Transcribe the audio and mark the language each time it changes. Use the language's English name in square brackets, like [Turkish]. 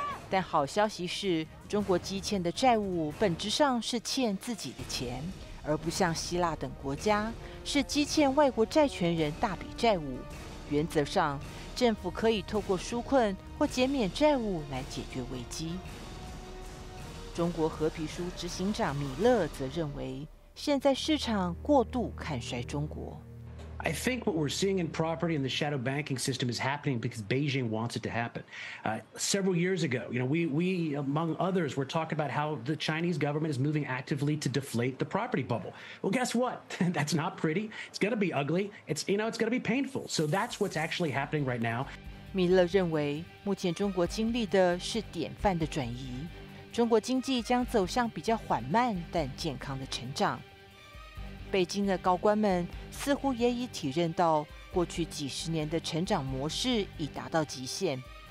[Chinese] 但好消息是，中国积欠的债务本质上是欠自己的钱，而不像希腊等国家是积欠外国债权人大笔债务。原则上，政府可以透过纾困或减免债务来解决危机。中国褐皮书执行长米勒则认为，现在市场过度看衰中国。 [English] I think what we're seeing in property and the shadow banking system is happening because Beijing wants it to happen. Several years ago, you know, we among others were talking about how the Chinese government is moving actively to deflate the property bubble. Well, guess what? That's not pretty. It's going to be ugly. It's, you know, it's going to be painful. So that's what's actually happening right now. [Chinese] 米勒认为，目前中国经历的是典范的转移，中国经济将走向比较缓慢但健康的成长。北京的高官们似乎也已体认到，过去几十年的成长模式已达到极限。